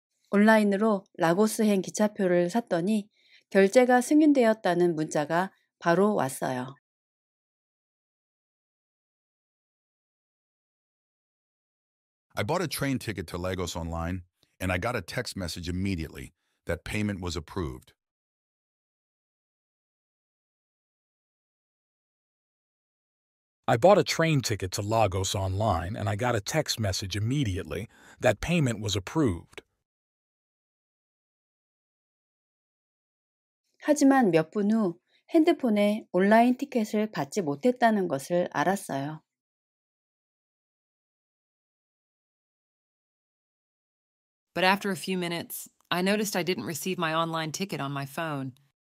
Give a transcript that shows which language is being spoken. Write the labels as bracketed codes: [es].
[ko] Online으로 라고스행 기차표를 샀더니 결제가 승인되었다는 문자가 바로 왔어요. [en] I bought a train ticket to Lagos online, and I got a text message immediately that payment was approved. I bought a train ticket to Lagos online, and I got a text message immediately that payment was approved. [ko] 하지만 몇 분 후 핸드폰에 온라인 티켓을 받지 못했다는 것을 알았어요. [en] But after a few minutes, I noticed I didn't receive my online ticket on my phone.